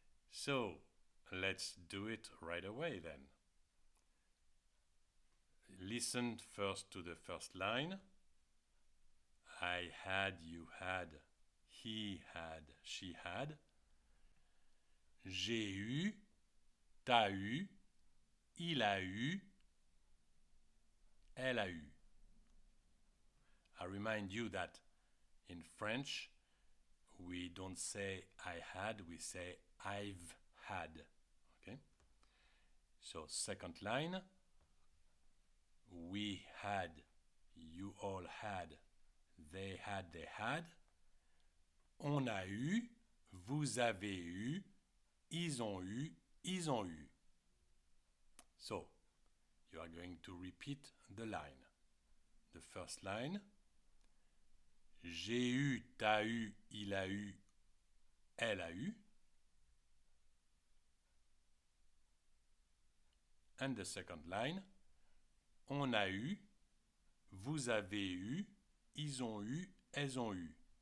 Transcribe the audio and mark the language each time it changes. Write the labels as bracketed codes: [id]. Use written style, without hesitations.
[en] So let's do it right away then. Listen first to the first line. I had, you had, he had, she had. [fr] J'ai eu, t'as eu, il a eu, elle a eu. [en] I remind you that in French, we don't say I had, we say I've had. Okay? So, second line. We had, you all had, they had, they had. [fr] On a eu, vous avez eu, ils ont eu, ils ont eu. [en] So, you are going to repeat the line. The first line. [fr] J'ai eu, t'as eu, il a eu, elle a eu. [en] And the second line. [fr] On a eu, vous avez eu, ils ont eu, elles ont eu.